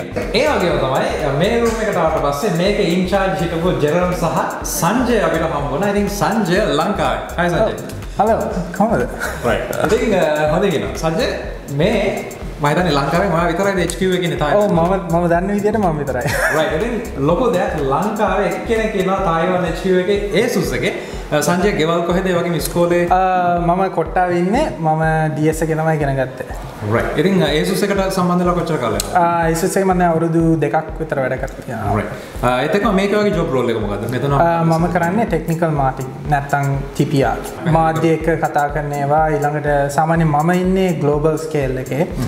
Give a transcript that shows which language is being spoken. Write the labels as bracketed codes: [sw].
[si] ඒ වගේම තමයි මේ room එකට ආවට පස්සේ මේක in charge හිටපු ජෙරම් සහ සංජය අපිට හම්බ වුණා. ඉතින් සංජය ලංකාවේ. Hi Sanjay. [en] Hello, come on. Right. I think, how do you know? Sanjay, May. [si] මම හිතන්නේ ලංකාවේ මම විතරයි HQ එකේ ඉන්නේ තායිවාන්. ඔව් මම දන්න විදිහට මම විතරයි. [en] Right. I think local that [si] ලංකාවේ එක්කෙනෙක් ඉන්නවා තායිවාන් HQ එකේ Asus එකේ. සංජය ගෙවල් කොහෙද? ඒ වගේ මිස්කෝලේ මම කොට්ටාවේ ඉන්නේ. මම DS එකේම ඉගෙන ගත්තේ. [en] Right. [si] ඉතින් Asus එකට සම්බන්ධලා කොච්චර කාලයක්ද? Asus එකේ මම අවුරුදු දෙකක් විතර වැඩ කරා. [en] Right. [si] එතකොට මේක වගේ job role එක මොකද්ද? මෙතන මම කරන්නේ technical marketing නැත්නම් TPR. මාධ්‍ය එක කතා කරන ඒවා ඊළඟට සාමාන්‍යයෙන් මම ඉන්නේ global scale එකේ.